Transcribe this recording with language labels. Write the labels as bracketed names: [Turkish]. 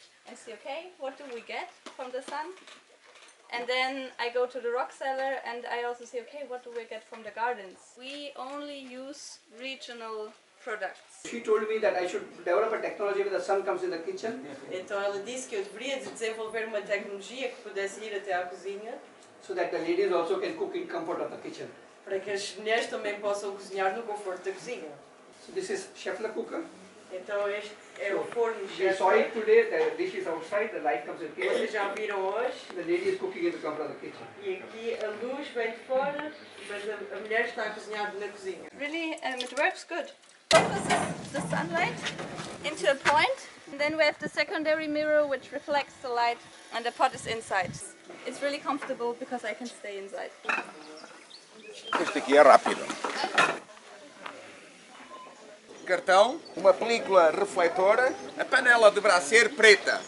[English] I see, okay, what do we get from the sun? And then I go to the rock cellar and I also see, okay, what do we get from the gardens? We only use regional products. She told me that I should develop a technology where the sun comes in the kitchen. [Portuguese] Então ela disse que eu deveria desenvolver uma tecnologia que pudesse ir até a cozinha. [English] So that the ladies also can cook in comfort of the kitchen. [Portuguese] Para que as mulheres também possam cozinhar no conforto da cozinha. [English] So this is chef la cooker. [Portuguese] Então este é o forno chef. [English] We saw it today, the dish is outside, the light comes in the kitchen. [Portuguese] Já viram hoje. [English] The lady is cooking in the comfort of the kitchen. [Portuguese] E aqui a luz vem de fora, mas a mulher está a cozinhar na cozinha. [English] Really, it works good. Focuses the sunlight into a point, and then we have the secondary mirror which reflects the light, and the pot is inside. It's really comfortable because I can stay inside. [Portuguese] Este aqui é rápido. Cartão, uma película refletora, a panela deverá ser preta.